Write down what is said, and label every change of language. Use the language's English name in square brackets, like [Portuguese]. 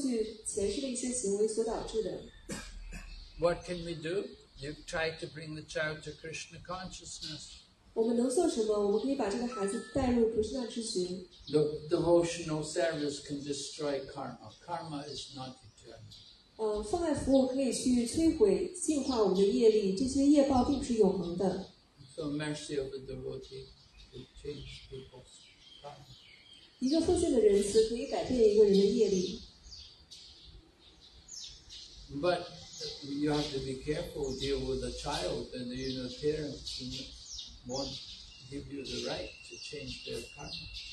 [Chinese] 并不是说一个巧合，可能是他过去前世的一些行为所导致的。 [English] What can we do? You try to bring the child to Krishna consciousness. [Chinese] 我们能做什么？我们可以把这个孩子带入菩萨之觉。 [English] The devotional service can destroy karma. Karma is not eternal. [Chinese] 奉爱服务可以去摧毁、净化我们的业力，这些业报并不是永恒的。 [English] So mercy of a devotee will change people's karma. [Chinese] 一个奉献的仁慈可以改变一个人的业力。 [English] But you have to be careful to deal with a child and the inner parents. Won't give you the right to change their karma.